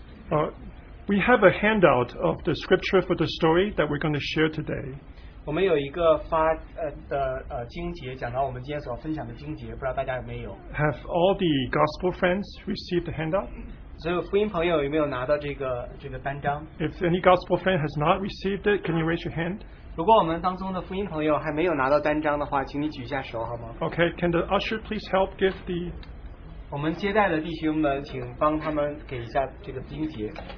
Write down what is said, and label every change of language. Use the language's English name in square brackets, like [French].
[English] We have a handout of the scripture for the story that we're going to share today. [Chinese] 我们有一个发的经节，讲到我们今天所分享的经节，不知道大家有没有 [English] ？Have all the gospel friends received the handout？ [Chinese] 所有福音朋友有没有拿到这个单张 [English] ？If any gospel friend has not received it, can you raise your hand？ [Chinese] 如果我们当中的福音朋友还没有拿到单张的话，请你举一下手好吗 [English] ？Okay, can the usher please help give the？ [Chinese] 我们接待的弟兄们，请帮他们给一下这个经节。